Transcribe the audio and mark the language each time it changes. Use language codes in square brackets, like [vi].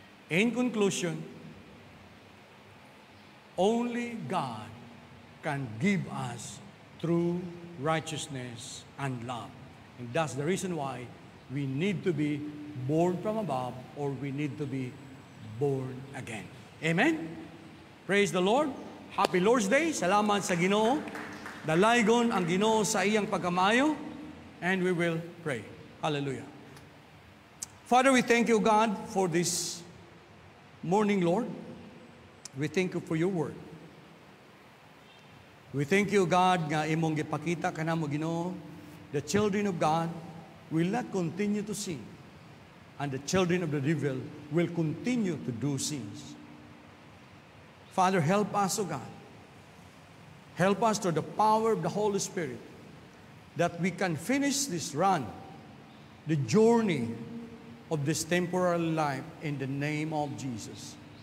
[en] In conclusion, only God can give us true righteousness and love. And that's the reason why we need to be born from above, or we need to be born again. Amen? Praise the Lord. Happy Lord's Day. [ceb] Salamat sa Ginoo. Dalaygon ang Ginoo sa iyang pagkamayo. [en] And we will pray. Hallelujah. Father, we thank you, God, for this morning, Lord. We thank you for your word. We thank you, God, [ceb] nga imong gipakita ka namo, Ginoo. [en] The children of God will not continue to sin. And the children of the devil will continue to do sins. Father, help us, O God. Help us through the power of the Holy Spirit that we can finish this run, the journey of this temporal life in the name of Jesus.